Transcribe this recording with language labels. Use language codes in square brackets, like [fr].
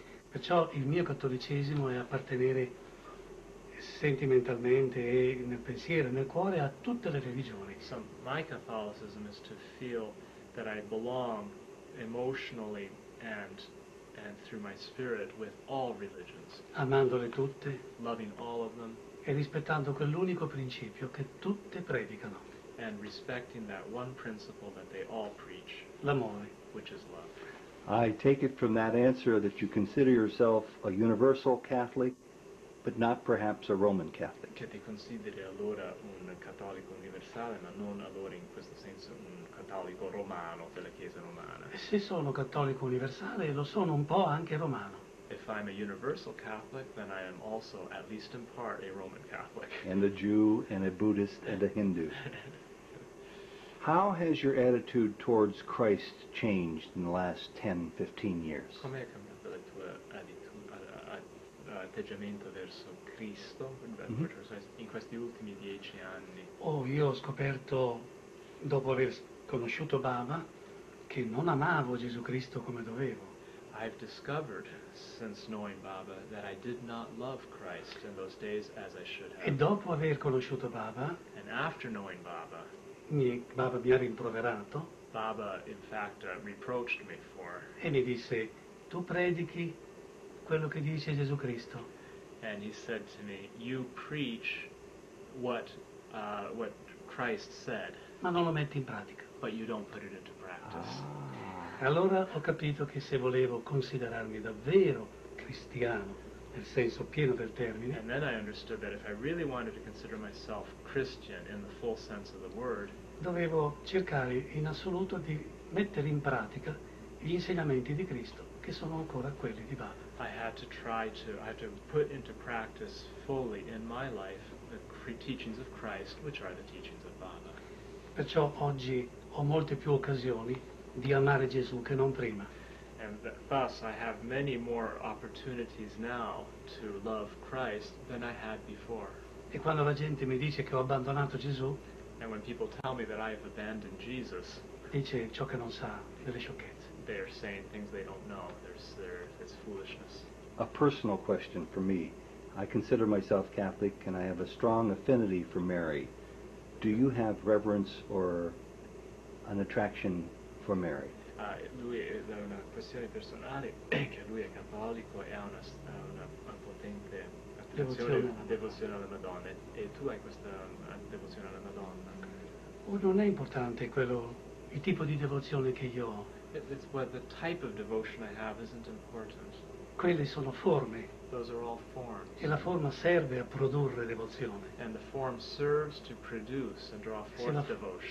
[it] Perciò il mio cattolicesimo è appartenere sentimentalmente e nel pensiero, nel cuore, a tutte le religioni. [en] So my Catholicism is to feel that I belong emotionally and through my spirit with all religions. [it] Amandole tutte. [en] Loving all of them. [it] E rispettando quell'unico principio che tutte predicano. [en] And respecting that one principle that they all preach. [it] L'amore. [en] Which is love. I take it from that answer that you consider yourself a universal Catholic, but not perhaps a Roman Catholic. [it] Che ti consideri allora un cattolico universale, ma non allora in questo senso un cattolico romano della Chiesa romana. E se sono cattolico universale, lo sono un po' anche romano. [en] If I'm a universal Catholic, then I am also, at least in part, a Roman Catholic. And a Jew, and a Buddhist, and a Hindu. How has your attitude towards Christ changed in the last 10-15 years? [it] Come è cambiata la tua atteggiamento verso Cristo in questi ultimi 10 anni? Oh, io ho scoperto, dopo aver conosciuto Baba, che non amavo Gesù Cristo come dovevo. [en] I've discovered, since knowing Baba, that I did not love Christ in those days as I should have. [it] E dopo aver conosciuto Baba, [en] and after knowing Baba, [it] Baba mi ha rimproverato. [en] Baba, in fact, reproached me for. [it] E mi disse, tu predichi quello che dice Gesù Cristo. [en] And he said to me, you preach what Christ said. [it] Ma non lo metti in pratica. [en] But you don't put it into practice. Ah. [it] Allora ho capito che se volevo considerarmi davvero cristiano, nel senso pieno del termine. [en] And then I understood that if I really wanted to consider myself Christian in the full sense of the word, [it] dovevo cercare in assoluto di mettere in pratica gli insegnamenti di Cristo, che sono ancora quelli di Baba. [en] I had to put into practice fully in my life the teachings of Christ, which are the teachings of Baba. [it] Perciò oggi ho molte più occasioni di amare Gesù che non prima. [en] And thus I have many more opportunities now to love Christ than I had before. [it] E quando la gente mi dice che ho abbandonato Gesù, [en] and when people tell me that I have abandoned Jesus, [it] dice ciò che non sa, delle sciocchezze. [en] They're saying things they don't know. It's foolishness. A personal question for me. I consider myself Catholic and I have a strong affinity for Mary. Do you have reverence or an attraction for Mary? [it] lui da una questione personale che lui è cattolico e ha una potente devozione alla Madonna. E tu hai questa devozione alla Madonna. Non è importante quello il tipo di devozione che io ho. [en] It's what the type of devotion I have isn't important. [it] Quelle sono forme. [en] Those are all forms. [it] E la forma serve a produrre devozione. [en] And the form serves to produce and draw forth devotion.